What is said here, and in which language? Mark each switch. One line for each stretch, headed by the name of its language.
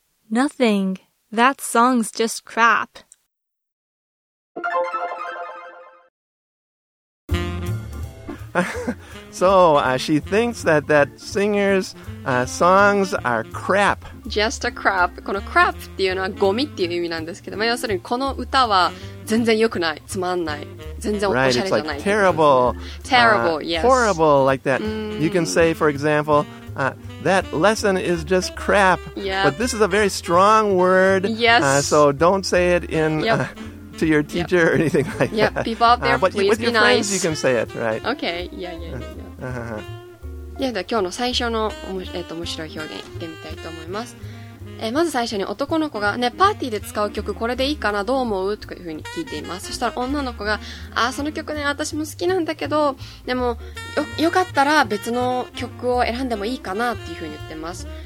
English: Nothing. That song's just crap. So she thinks that singer's songs are crap. Just a crap.
Japanese: この crap っていうのはゴミっていう意味なんですけど、まあ、要するにこの歌は全然良くない、つまんない、全然おしゃれじゃない。
English: It's like terrible. Terrible, yes. Horrible, like that. You can say, for example, that lesson is just crap. Yeah. But this is a very strong word. Yes. So don't say it in... To your teacher or anything like that. Yeah, people out there, please be nice. But with your friends, you can say it, right? Okay, yeah.
Japanese: では今日の最初の面白い表現言ってみたいと思います。まず最初に男の子が、ね、パーティーで使う曲これでいいかな、どう思う、とかいうふうに聞いています。そしたら女の子が、あ、その曲ね、私も好きなんだけど、でも、よかったら別の曲を選んでもいいかな、っていうふうに言ってます。